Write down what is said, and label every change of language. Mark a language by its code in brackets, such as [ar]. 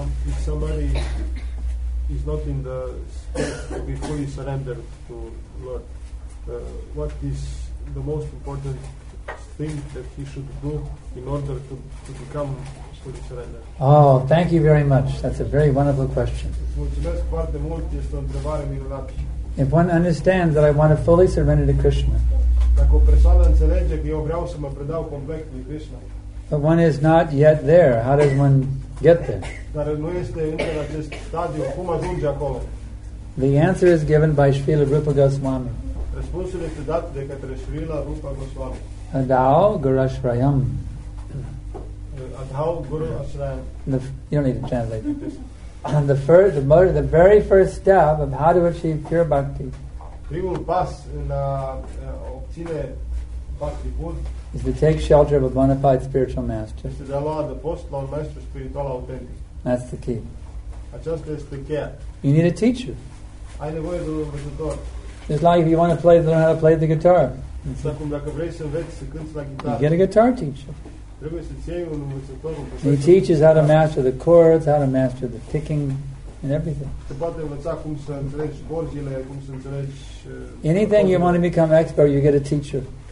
[en] If somebody is not in the state to be fully surrendered to Lord, what is the most important thing that he should do in order to become fully surrendered? Oh, thank you very much. That's a very wonderful question. [ro] Mulțumesc foarte mult. Este o întrebare minunată. [en] If one understands that I want to fully surrender to Krishna, [ro] dacă o persoană înțelege că eu vreau să mă predau complet lui Krishna, [en] but one is not yet there, how does one get there? [ro] Dar nu este încă în acest stadiu, cum ajunge acolo? [en] The answer is given by Srila Rupa Goswami. [ro] Răspunsul este dat de către Srila Rupa Goswami. [sa] Adhau Guru Ashrayam. Adhau Guru Ashrayam. [en] You don't need to translate. And the very first step of how to achieve pure bhakti. [ro] Primul pas în a obține bhakti pur [en] is to take shelter of a bona fide spiritual master. [ro] Este de a lua adăpost la un maestru spiritual autentic. [en] That's the key. [ro] Aceasta este cheia. [en] You need a teacher. [ro] Ai nevoie de un învățător. [en] It's like if you want to play, learn how to play the guitar. [ro] Dacă vrei să înveți să cânți la [en] guitară, you get a guitar teacher. [ro] Trebuie să ții un învățător. [en] He teaches how to master the chords, how to master the picking and everything. [ro] Te poate învăța cum să înțelegi corzile, cum să înțelegi [en] anything you want to become expert, you get a teacher.